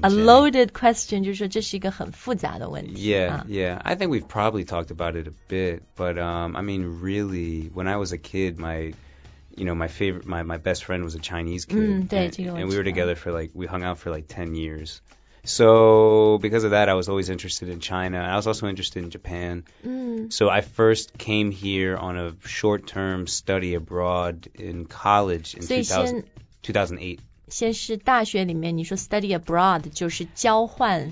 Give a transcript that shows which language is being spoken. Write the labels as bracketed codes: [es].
[en] A loaded question, [zh] 就是说这是一个很复杂的问题。 [en] I think we've probably talked about it a bit, but I mean really, when I was a kid, my best friend was a Chinese kid. [zh] 对 [en] and we were together for like, we hung out for like 10 years. So because of that, I was always interested in China. I was also interested in Japan. So I first came here on a short-term study abroad in college in 2008. [zh] 先是大学里面你说 study abroad 就是交换。